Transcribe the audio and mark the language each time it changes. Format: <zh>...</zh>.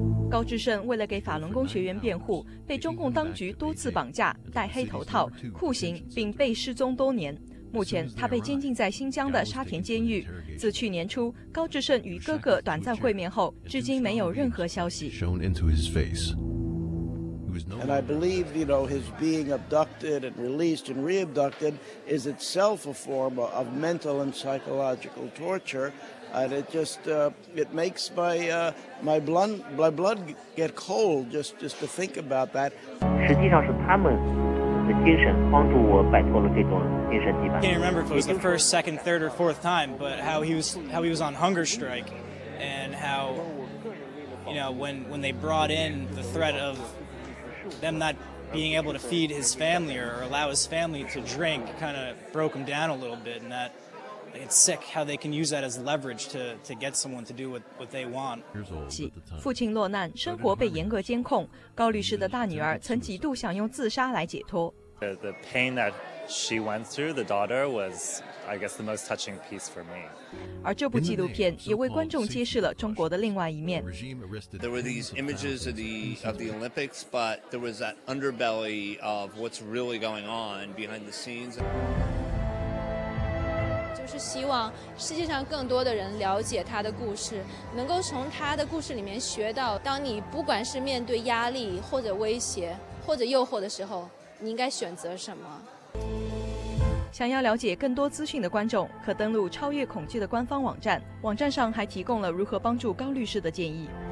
<zh>高志胜为了给法轮功学员辩护，被中共当局多次绑架、戴黑头套、酷刑，并被失踪多年。目前他被监禁在新疆的沙田监狱。自去年初高志胜与哥哥短暂会面后，至今没有任何消息。</zh> <en>And I believe, you know, his being abducted and released and re-abducted is itself a form of mental and psychological torture, and it just it makes my blood get cold just to think about that.</en> <zh>实际上是他们的精神帮助我摆脱了这种精神羁绊。</zh> <en>Can't remember if it was the first, second, third, or fourth time, but how he was on hunger strike, and how, you know, when they brought in the threat of them not being able to feed his family or allow his family to drink kind of broke him down a little bit, and that it's sick how they can use that as leverage to get someone to do what they want.</en> <zh>父亲落难，生活被严格监控。高律师的大女儿曾几度想用自杀来解脱。</zh> <en>The pain that she went through, the daughter, was, I guess, the most touching piece for me.</en> <zh>而这部纪录片也为观众揭示了中国的另外一面。</zh> <en>There were these images of the Olympics, but there was that underbelly of what's really going on behind the scenes.</en> <zh>就是希望世界上更多的人了解他的故事，能够从他的故事里面学到，当你不管是面对压力或者威胁或者诱惑的时候，你应该选择什么。想要了解更多资讯的观众可登录超越恐惧的官方网站，网站上还提供了如何帮助高律师的建议。</zh>